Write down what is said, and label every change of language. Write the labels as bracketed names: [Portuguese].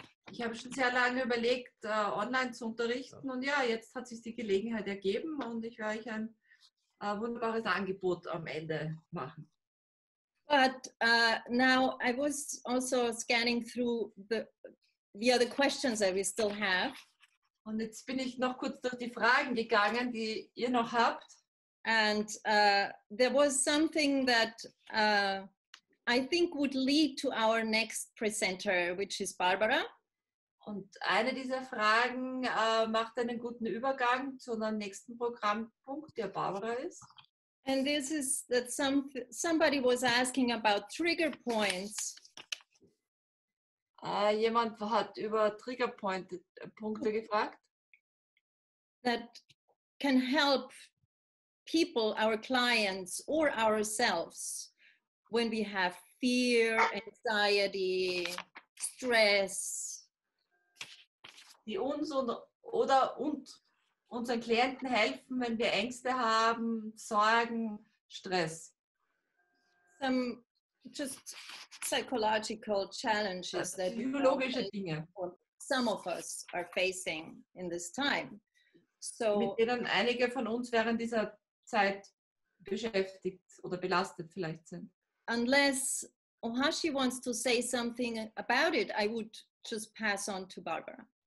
[German] Ich habe schon sehr lange überlegt, online zu unterrichten, und ja, jetzt hat sich die Gelegenheit ergeben, und ich werde euch ein wunderbares Angebot am Ende machen. [English] But now I was also scanning through the other questions that we still have. [German] Und jetzt bin ich noch kurz durch die Fragen gegangen, die ihr noch habt. [English] And there was something that I think would lead to our next presenter, which is Barbara. [German] Und eine dieser Fragen macht einen guten Übergang zu unserem nächsten Programmpunkt, der Barbara ist. [English] And this is that somebody was asking about trigger points. [German] Jemand hat über trigger Punkte gefragt. [English] That can help people, our clients or ourselves, when we have fear, anxiety, stress. [German] Die uns oder unseren Klienten helfen, wenn wir Ängste haben, Sorgen, Stress. [English] Some just psychological challenges, [German] das psychologische that Dinge. [English] Some of us are facing in this time. So, [German] mit denen einige von uns während dieser Zeit beschäftigt oder belastet vielleicht sind. [English] Unless OHASHI wants to say something about it, I would just pass on to Barbara.